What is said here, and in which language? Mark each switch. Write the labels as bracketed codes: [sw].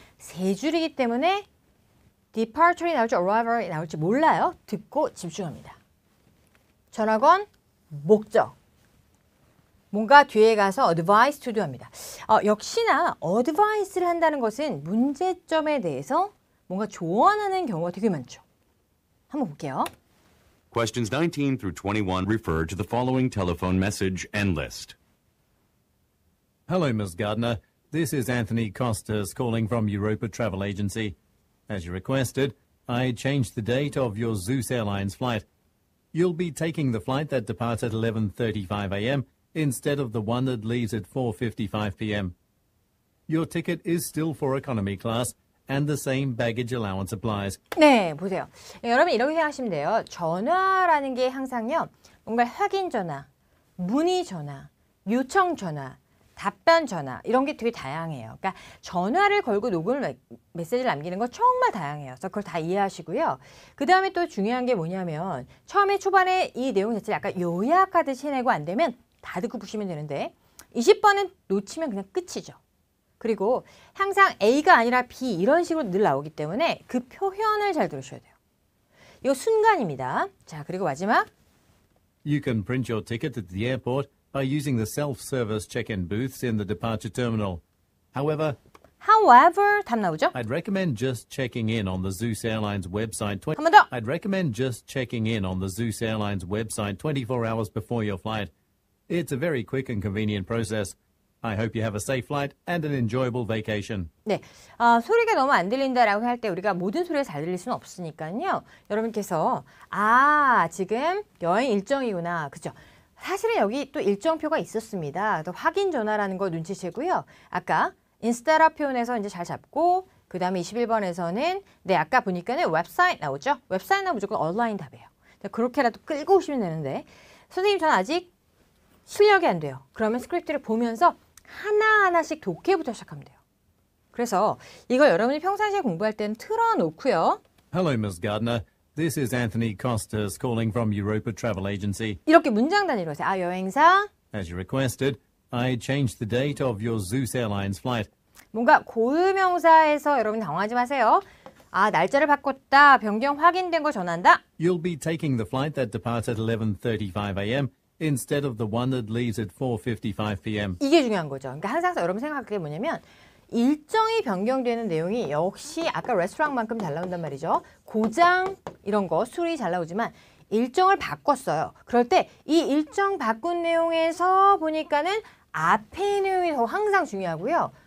[ko] 세 줄이기 때문에 departure이 나올지 arrival이 나올지 몰라요. 듣고 집중합니다. 전화건 목적. 뭔가 뒤에 가서 advice to do 합니다. 역시나 advice를 한다는 것은 문제점에 대해서 뭔가 조언하는 경우가 되게 많죠. 한번 볼게요. [en] Questions 19 through 21 refer to the following telephone message and list. Hello, Ms. Gardner. This is Anthony Costas calling from Europa Travel Agency. As you requested, I changed the date of your Zeus Airlines flight. You'll be taking the flight that departs at 11:35 a.m. instead of the one that leaves at 4:55 p.m. Your ticket is still for economy class and the same baggage allowance applies. [ko] 네, 보세요. 네, 여러분 이렇게 생각하시면 돼요. 전화라는 게 항상요. 뭔가 확인 전화, 문의 전화, 요청 전화, 답변 전화 이런 게 되게 다양해요. 그러니까 전화를 걸고 녹음 메시지를 남기는 거 정말 다양해요. 그래서 그걸 다 이해하시고요. 그 다음에 또 중요한 게 뭐냐면 처음에 초반에 이 내용 자체를 약간 요약하듯이 해내고 안 되면 다 듣고 보시면 되는데 20번은 놓치면 그냥 끝이죠. 그리고 항상 A가 아니라 B 이런 식으로 늘 나오기 때문에 그 표현을 잘 들으셔야 돼요. 이거 순간입니다. 자, 그리고 마지막 [en] You can print your ticket at the airport. By using the self-service check-in booths in the departure terminal. However, [ko] 답 나오죠? [en] I'd recommend just checking in on the Zeus Airlines website. [ko] 한 번 더. [en] I'd recommend just checking in on the Zeus Airlines website 24 hours before your flight. It's a very quick and convenient process. I hope you have a safe flight and an enjoyable vacation. [ko] 네, 소리가 너무 안 들린다라고 할 때 우리가 모든 소리가 잘 들릴 수는 없으니까요. 여러분께서 아 지금 여행 일정이구나, 그죠? 사실은 여기 또 일정표가 있었습니다. 또 확인 전화라는 거 눈치채고요. 아까 instead of 표현에서 이제 잘 잡고 그 다음에 21번에서는 네 아까 보니까는 웹사이트 나오죠. 웹사이트나 무조건 온라인 답이에요. 그렇게라도 끌고 오시면 되는데 선생님 저는 아직 실력이 안 돼요. 그러면 스크립트를 보면서 하나하나씩 독해부터 시작하면 돼요. 그래서 이걸 여러분이 평상시에 공부할 때는 틀어놓고요. [en] Hello, Ms. Gardner. This is Anthony Costas calling from Europa Travel Agency. [ko] 이렇게 문장 단위로 하세요. 아, 여행사. [en] As you requested, I changed the date of your Zeus Airlines flight. [ko] 뭔가 고유명사에서 여러분 당황하지 마세요. 아, 날짜를 바꿨다. 변경 확인된 거 전한다. [en] You'll be taking the flight that departs at 11:35 a.m. instead of the one that leaves at 4:55 p.m. [ko] 이게 중요한 거죠. 그러니까 항상 여러분 생각할 게 뭐냐면 일정이 변경되는 내용이 역시 아까 레스토랑만큼 잘 나온단 말이죠. 고장 이런 거 수리 잘 나오지만 일정을 바꿨어요. 그럴 때 이 일정 바꾼 내용에서 보니까는 앞에 내용이 더 항상 중요하고요.